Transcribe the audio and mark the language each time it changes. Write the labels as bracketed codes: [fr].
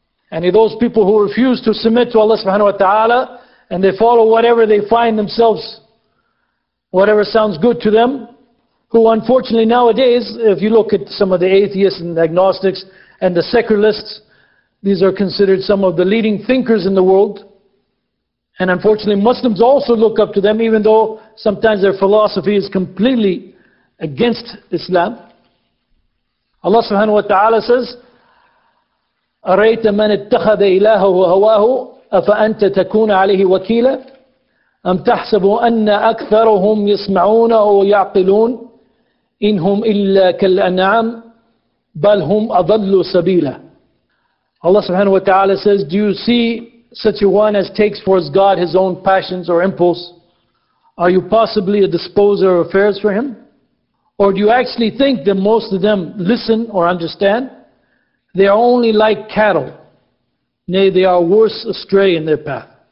[en] And those people who refuse to submit to Allah subhanahu wa ta'ala, and they follow whatever they find themselves, whatever sounds good to them, who unfortunately nowadays, if you look at some of the atheists and agnostics and the secularists, these are considered some of the leading thinkers in the world. And unfortunately Muslims also look up to them, even though sometimes their philosophy is completely against Islam. Allah subhanahu wa ta'ala says, [ar] أَرَيْتَ مَنِ اتَّخَذَ إِلَهَهُ هَوَاهُ أَفَأَنْتَ تَكُونَ عَلَيْهِ وَكِيلًا أَمْ تَحْسَبُ أَنَّ أَكْثَرُهُمْ يَسْمَعُونَ أَوْ يَعْقِلُونَ إِنْ هُمْ إِلَّا كَالْأَنْعَامِ بَلْ هُمْ أَضَلُّ سَبِيلًا. [en] Allah subhanahu wa ta'ala says, do you see such a one as takes for his God his own passions or impulse? Are you possibly a disposer of affairs for him? Or do you actually think that most of them listen or understand? They are only like cattle. Nay, they are worse astray in their path.